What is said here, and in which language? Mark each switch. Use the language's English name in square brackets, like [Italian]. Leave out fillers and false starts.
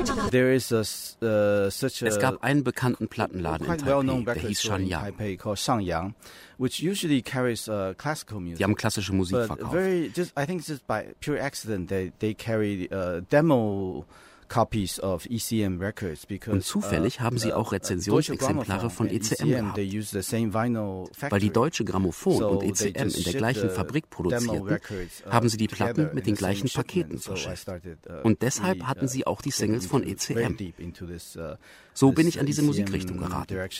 [English] There is a, such a [German] es gab einen bekannten Plattenladen in Taipei, der hieß Shang [English] Yang. Which usually carries classical music. [German] Die haben klassische Musik [English] but [German] verkauft. [English] Very, just, I think just by pure accident they carry demo copies of ECM records because [German] und zufällig haben sie auch Rezensionsexemplare von ECM gehabt. [English] They use the same vinyl factory. [German] Weil die deutsche Grammophon und ECM in der gleichen Fabrik produzierten, haben sie die Platten mit den gleichen Paketen verschickt. Und deshalb hatten sie auch die Singles von ECM. So bin ich an diese Musikrichtung geraten.